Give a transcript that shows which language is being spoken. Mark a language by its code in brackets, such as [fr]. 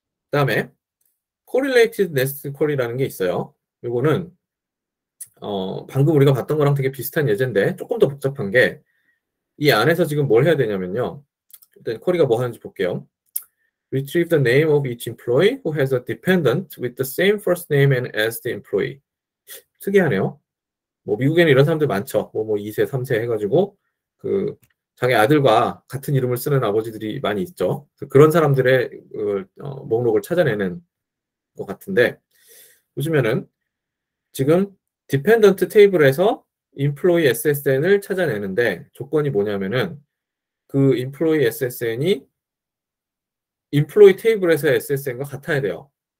[ko] 그다음에 correlated nested query라는 게 있어요. 요거는 방금 우리가 봤던 거랑 되게 비슷한 예제인데 조금 더 복잡한 게이 안에서 지금 뭘 해야 되냐면요. 일단 쿼리가 뭐 하는지 볼게요. [en] Retrieve the name of each employee who has a dependent with the same first name and as the employee. [ko] 특이하네요. 뭐 미국에는 이런 사람들 많죠. 뭐뭐 2세, 3세 해가지고 그 자기 아들과 같은 이름을 쓰는 아버지들이 많이 있죠. 그런 사람들의 목록을 찾아내는 것 같은데 보시면은 지금 dependent 테이블에서 employee SSN을 찾아내는데 조건이 뭐냐면은 그 employee SSN이 employee 테이블에서의 SSN과 같아야 돼요.